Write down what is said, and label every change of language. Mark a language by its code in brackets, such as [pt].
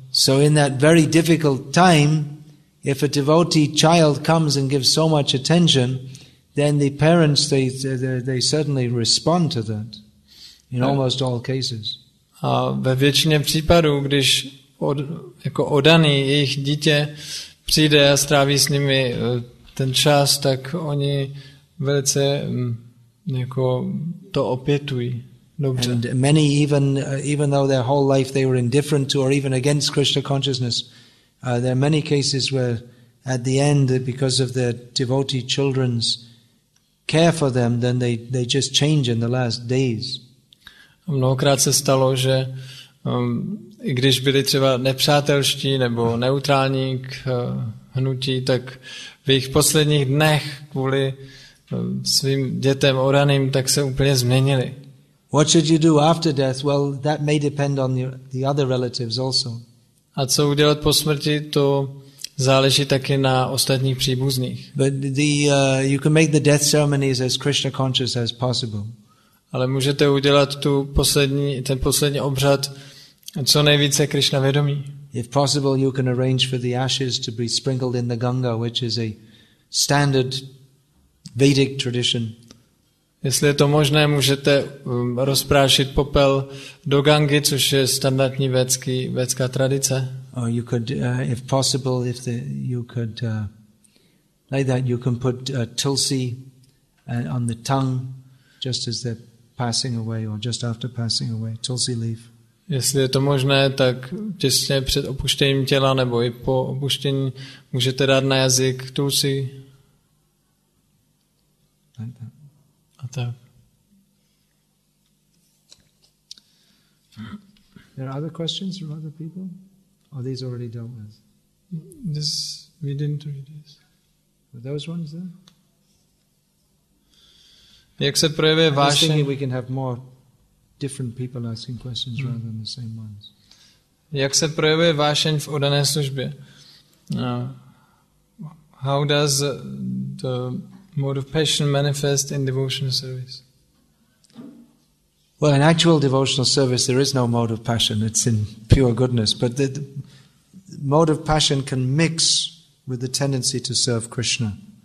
[en] So in that very difficult time, if a devotee child comes and gives so much attention, then the parents they certainly respond to that in almost all cases. [cs] A ve většině případů, když jako oddaný jejich dítě přijde a stráví s nimi ten čas, tak oni velice jako to opětují dobře. [en] And many even though their whole life they were indifferent to or even against Krishna consciousness, there are many cases where at the end, because of their devotee children's care for them, then they just change in the last days. [cs] Mnohokrát se stalo, že i když byli třeba nepřátelští nebo neutrální k hnutí, tak v jejich posledních dnech kvůli svým dětem oraným tak se úplně změnili. [en] What should you do after death? Well, that may depend on the other relatives also. [cs] A co udělat po smrti, to záleží taky na ostatních příbuzných. [en] But you can make the death ceremonies as Krishna conscious as possible. [cs] Ale můžete udělat ten poslední obřad co nejvíce Krishna vědomí. [en] If possible, you can arrange for the ashes to be sprinkled in the Ganga, which is a standard Vedic tradition. [cs] Jestli je to možné, můžete rozprášit popel do Gangy, což je standardní védská tradice. [en] Or you could, if possible, if the, you could, like that, you can put tulsi on the tongue, just as they're passing away, or just after passing away, tulsi leaf. [cs] Jestli je to možné, tak těsně před opuštěním těla nebo i po opuštění můžete dát na jazyk tulsi. [en] Like that. [cs] A tak. [en] There are other questions from other people? Or these already dealt with? This, we didn't read this. Were those ones there? [cs] Jak se projevuje vášeň? [en] I was thinking we can have more different people asking questions rather than the same ones. [cs] Jak se projevuje vášeň v oddané službě? [en] How does the mode of passion manifest in devotional service? Well, in actual devotional service, there is no mode of passion. It's in pure goodness. But the mode of passion can mix with the tendency to serve Krishna.